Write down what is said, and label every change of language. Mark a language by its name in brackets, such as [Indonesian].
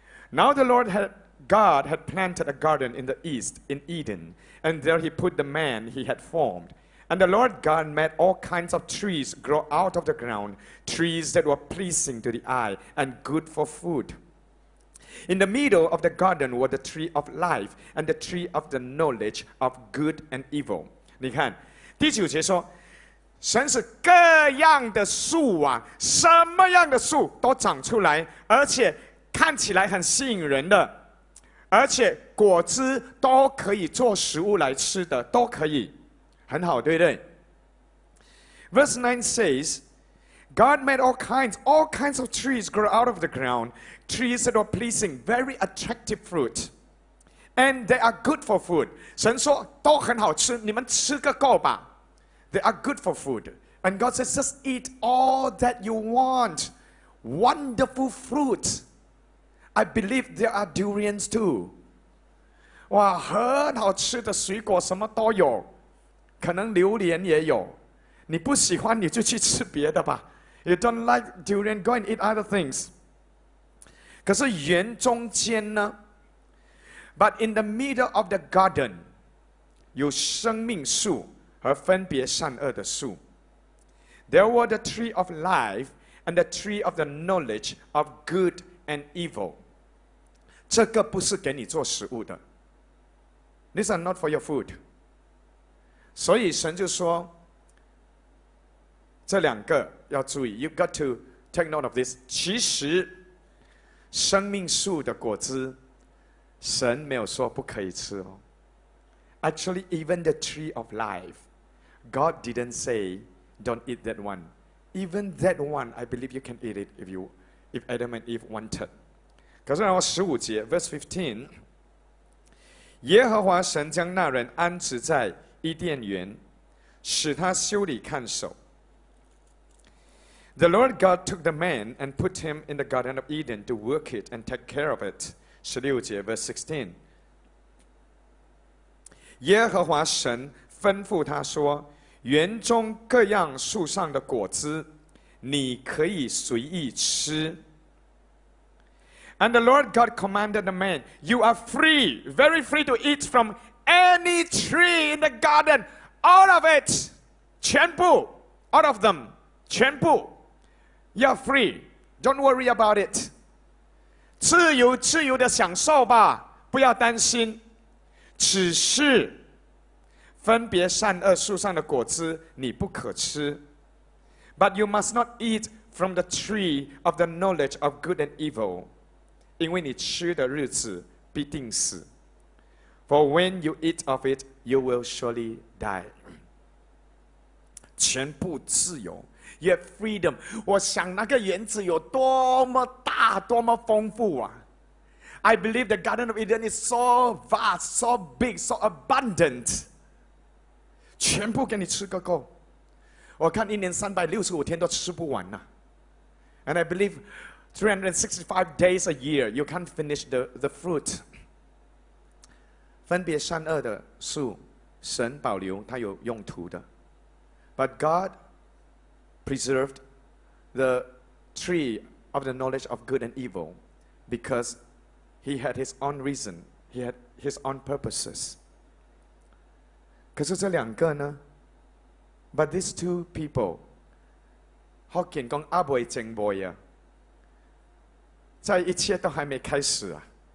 [English] Now the Lord had, God had planted a garden in the east in Eden and there he put the man he had formedAnd the Lord God made all kinds of trees grow out of the ground, trees that were pleasing to the eye and good for food. In the middle of the garden were the tree of life and the tree of the knowledge of good and evil. [Chinese] 你看，第九节说，神使各样的树啊，什么样的树都长出来，而且看起来很吸引人的，而且果子都可以做食物来吃的，都可以。很好对不对 [English] Verse 9 says, God made all kinds of trees grow out of the ground, trees that are pleasing, very attractive fruit, and they are good for food. [Chinese] 神说都很好吃你们吃个够吧 [English] They are good for food. And God says, just eat all that you want. Wonderful fruit. I believe there are durians too. [Chinese] 哇，很好吃的水果什么都有，可能榴莲也有，你不喜欢你就去吃别的吧。 [English] You don't like durian, go and eat other things. [Chinese] 可是园中间呢， [English] But in the middle of the garden [Chinese] 有生命树和分别善恶的树。 [English] There were the tree of life and the tree of the knowledge of good and evil. [Chinese] 这个不是给你做食物的。 [English] These are not for your food. [Chinese] 所以神就说这两个要注意， [English] You've got to take note of this. [Chinese] 其实生命树的果子神没有说不可以吃哦。 [English] Actually, even the tree of life, God didn't say, don't eat that one. Even that one, I believe you can eat it if Adam and Eve wanted. [Chinese] 可是然后十五节 [English] verse 15, [Chinese] 耶和华神将那人安置在伊甸园，使他修理看守。 [English] The Lord God took the man and put him in the Garden of Eden to work it and take care of it. [Chinese] 16节 [English] verse 16。 [Chinese] 耶和华神吩咐他说，园中各样树上的果子你可以随意吃。 [English] And the Lord God commanded the man, you are free, very free to eat from any tree in the garden, all of it, 全部 all of them, 全部。 You're free. Don't worry about it. [Chinese] 自由自由的享受吧，不要担心。只是分别善恶树上的果子你不可吃。 [English] But you must not eat from the tree of the knowledge of good and evil. [Chinese] 因为你吃的日子必定死。 [English] For when you eat of it, you will surely die. [Chinese] 全部自由。 [English] You have freedom. [Chinese] 我想那个园子有多么大，多么丰富啊！ [English] I believe the Garden of Eden is so vast, so big, so abundant. [Chinese] 全部给你吃个够。我看一年365天都吃不完啊。 [English] And I believe 365 days a year, you can't finish the fruit. [Chinese] 分别善恶的树，神保留，它有用途的。 [English] But God preserved the tree of the knowledge of good and evil because he had his own reason, he had his own purposes. [Chinese] 可是这两个呢？ [English] But these two people, [Chinese] Hawkin 说阿伯正伯在一切都还没开始啊。